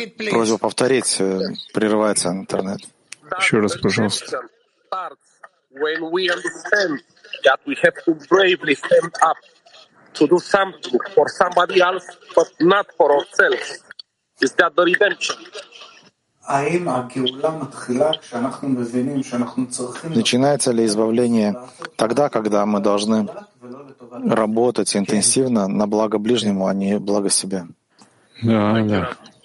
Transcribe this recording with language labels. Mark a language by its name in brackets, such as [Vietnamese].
[Russian] Просьба повторить, прерывается интернет. Еще раз, пожалуйста. [English] When we understand that we have to bravely stand up to do something for somebody else, but not for ourselves, is that the redemption? [Russian] Начинается ли избавление тогда, когда мы должны работать интенсивно на благо ближнему, а не благо себе? Да, да.